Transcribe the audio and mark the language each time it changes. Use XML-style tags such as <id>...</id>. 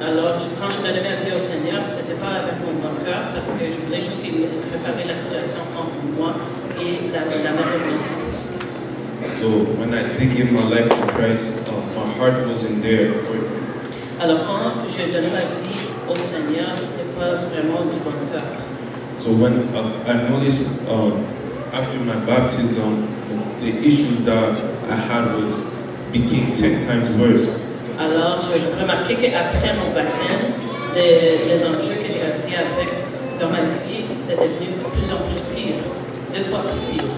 <fr>pas avec mon cœur parce que je voulais juste préparer la situation entre moi et la mère de mes enfants.</fr> <en>So when I did give my life to Christ, my heart wasn't there for it.</en> <fr>Alors quand je donnais ma vie au Seigneur, c'était pas vraiment du bon cœur.</fr> <en>So when I noticed after my baptism, the issue that I had was became 10 times worse.</en> <fr>Alors je remarquais que après mon baptême, les enjeux que j'avais avec dans ma vie, c'est devenu de plus en plus pire, deux fois plus pire.</fr>